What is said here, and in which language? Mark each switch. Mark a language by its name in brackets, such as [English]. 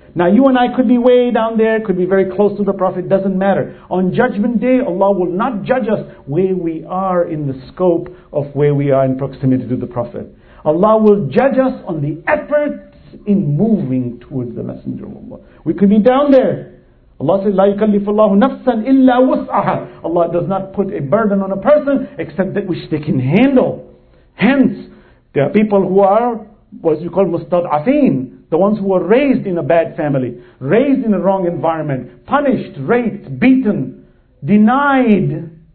[English] Now you and I could be way down there, could be very close to the Prophet, doesn't matter. On Judgment Day, Allah will not judge us where we are in the scope of where we are in proximity to the Prophet. Allah will judge us on the efforts in moving towards the Messenger of Allah. We could be down there. Allah says, [Arabic] لَا يُكَلِّفُ اللَّهُ نَفْسًا إِلَّا وُسْعَهَا. [English] Allah does not put a burden on a person except that which they can handle. Hence, there are people who are what you call mustad'afin. The ones who were raised in a bad family, raised in a wrong environment, punished, raped, beaten, denied.